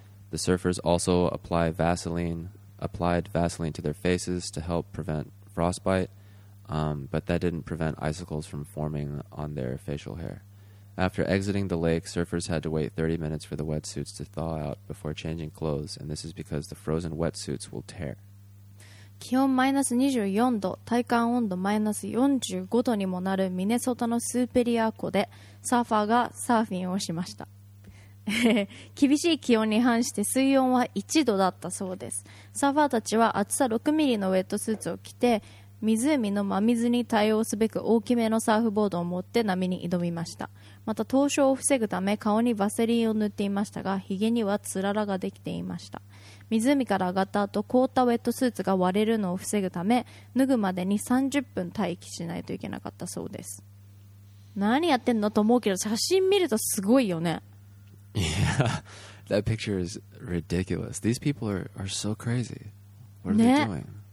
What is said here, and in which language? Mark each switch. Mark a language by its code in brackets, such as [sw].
[en] The surfers also applied Vaseline to their faces to help prevent frostbite,、but that didn't prevent icicles from forming on their facial hair. After exiting the lake, surfers had to wait 30 minutes for the wetsuits to thaw out before changing clothes, and this is because the frozen wetsuits will tear. [ja] 気温マイナス24度、体感温度マイナス45度にもなるミネソタのスーペリア湖でサーファーがサーフィンをしました。厳しい気温に反して水温は1度だったそうです。サーファーたちは厚さ6ミリのウェットスーツを着て、湖の真水に対応すべく大きめのサーフボードを持って波に挑みました。また凍傷を防ぐため顔にバセリンを塗っていましたが、ヒゲにはつららができていました。湖から上がった後、凍ったウェットスーツが割れるのを防ぐため脱ぐまでに30分待機しないといけなかったそうです。何やってんのと思うけど、写真見るとすごいよね。 [en] Yeah, that picture is ridiculous. These people are so crazy. What are they doing?